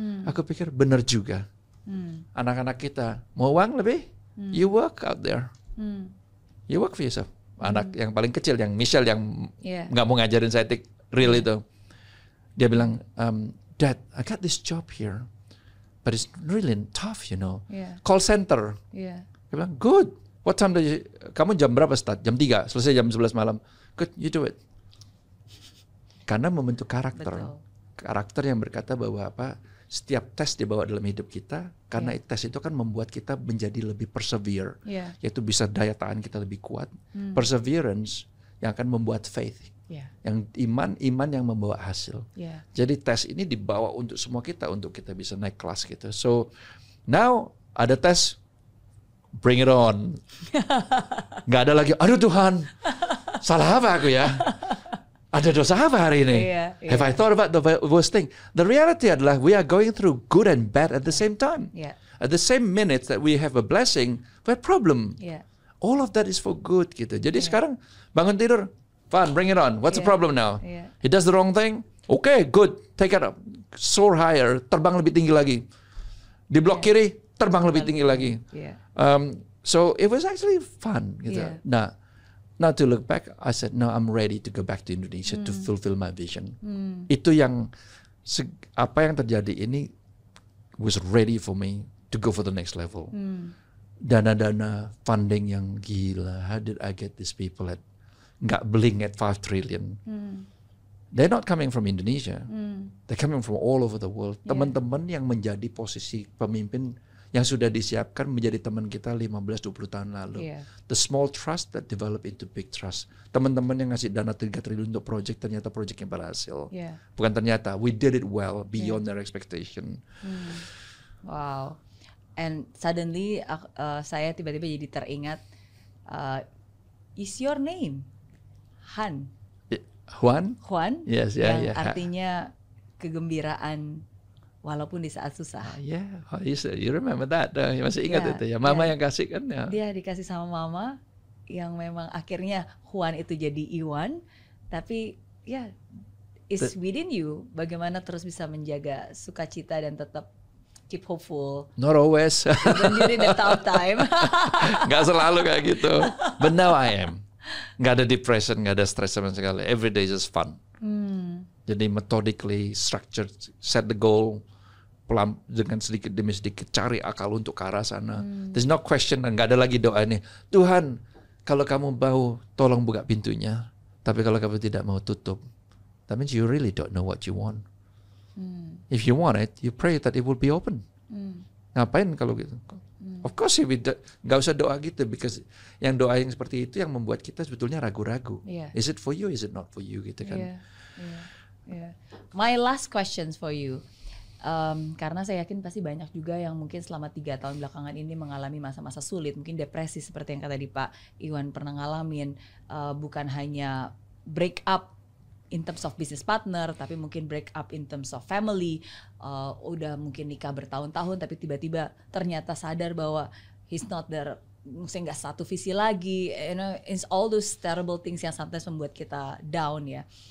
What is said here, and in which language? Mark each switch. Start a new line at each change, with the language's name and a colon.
Indonesian: Aku pikir benar juga. Anak-anak kita mau uang lebih,
English: you work out there, you work for yourself.
Indonesian: Anak yang paling kecil, yang Michelle yang nggak mau ngajarin saya tik real itu.
English: Dia bilang, Dad, I got this job here, but it's really tough, you know. Call center.
Indonesian: Dia bilang,
English: good. What time do you,
Indonesian: kamu jam berapa
English: start?
Indonesian: Jam 3, selesai jam 11 malam.
English: Good, you do it.
Indonesian: Karena membentuk karakter. Karakter yang berkata bahwa apa, setiap tes dibawa dalam hidup kita, karena tes itu kan membuat kita menjadi lebih persevere. Yaitu bisa daya tahan kita lebih kuat. Perseverance yang akan membuat faith. Yang iman yang membawa hasil. Jadi tes ini dibawa untuk semua kita, untuk kita bisa naik kelas gitu.
English: So now
Indonesian: ada tes,
English: bring it on.
Indonesian: Gak ada lagi, aduh Tuhan, salah apa aku ya, ada dosa apa hari ini.
English: Have I thought about the worst thing? The reality
Indonesian: adalah
English: we are going through good and bad at the same time. At the same minute that we have a blessing, we have problem. All of that is for good
Indonesian: gitu.
English: Jadi sekarang bangun tidur, fun, bring it on. What's the problem now? He does the wrong thing. Okay, good. Take it up. Soar higher.
Indonesian: Terbang lebih tinggi lagi. Di blok kiri, terbang lebih tinggi lagi.
English: So it was actually fun. Gitu. Nah, now to look back, I said, no, I'm ready to go back to Indonesia to fulfill my vision.
Indonesian: Itu yang apa yang terjadi ini
English: was ready for me to go for the next level.
Indonesian: Dana-dana funding yang gila.
English: How did I get these people at?
Indonesian: Nggak
English: bling at 5 trillion. They're not coming from Indonesia. They're coming from all over the world.
Indonesian: Teman-teman yang menjadi posisi pemimpin yang sudah disiapkan menjadi teman kita 15-20 tahun lalu.
English: The small trust that develop into big trust.
Indonesian: Teman-teman yang ngasih dana 3 triliun untuk project, ternyata project yang berhasil. Bukan ternyata,
English: we did it well beyond their expectation. Wow. And suddenly
Indonesian: saya tiba-tiba jadi teringat,
English: is your name Han? Juan? Juan? Yes, yeah, yeah.
Indonesian: Artinya kegembiraan walaupun di saat susah.
English: Oh, you remember that?
Indonesian: You masih ingat itu ya? Mama yang kasih kan ya? Dia dikasih sama mama. yang memang akhirnya Juan itu jadi Iwan, tapi ya
English: yeah, it's within you
Indonesian: bagaimana terus bisa menjaga sukacita dan tetap
English: keep hopeful. Not always. Even during the tough time.
Indonesian: Gak selalu kayak gitu.
English: But now I am.
Indonesian: Gak ada depression, gak ada stress sama sekali.
English: Every day is just fun.
Indonesian: Jadi
English: methodically structured, set the goal
Indonesian: pelan dengan sedikit demi sedikit cari akal untuk ke arah sana.
English: There's no question,
Indonesian: dan gak ada lagi doa ini. Tuhan, kalau kamu mau, tolong buka pintunya. Tapi kalau kamu tidak mau, tutup.
English: That means you really don't know what you want. If you want it, you pray that it will be open.
Indonesian: Ngapain kalau gitu?
English: Of course,
Indonesian: gak usah doa gitu,
English: because
Indonesian: yang doa yang seperti itu yang membuat kita sebetulnya ragu-ragu.
English: Yeah. Is it for you? Is it not for you?
Indonesian: Gitu kan?
English: Yeah. My last questions for you.
Indonesian: Karena saya yakin pasti banyak juga yang mungkin selama 3 tahun belakangan ini mengalami masa-masa sulit, mungkin depresi seperti yang tadi Pak Iwan pernah ngalamin, bukan hanya
English: break up in terms of business partner,
Indonesian: tapi mungkin
English: break up in terms of family,
Indonesian: udah mungkin nikah bertahun-tahun tapi tiba-tiba ternyata sadar bahwa
English: he's not there,
Indonesian: mungkin gak satu visi lagi,
English: you know, it's all those terrible things
Indonesian: yang
English: sometimes
Indonesian: membuat kita down ya.